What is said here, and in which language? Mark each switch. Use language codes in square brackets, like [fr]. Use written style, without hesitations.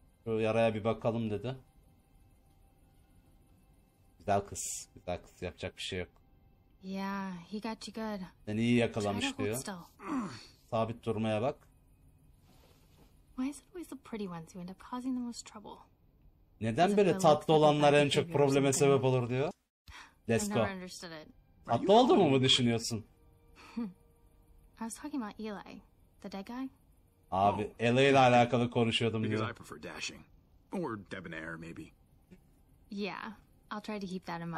[tr] Şu yaraya bir bakalım dedi. Güzel kız. Güzel kız, yapacak bir şey yok. [en] Yeah, he got you good. [tr] Seni iyi yakalamış diyor. Sabit durmaya bak. [en] Why is it always the pretty ones who end up causing the most trouble? [tr] Neden böyle tatlı olanlar en çok probleme sebep olur diyor? Desto. Tatlı oldu mu düşünüyorsun? [en] I was talking about Eli, the dead guy. [tr] Abi, Eli ile alakalı konuşuyordum diyor. [en] Because I prefer dashing or debonair maybe. Yeah, I'll try to keep that in mind.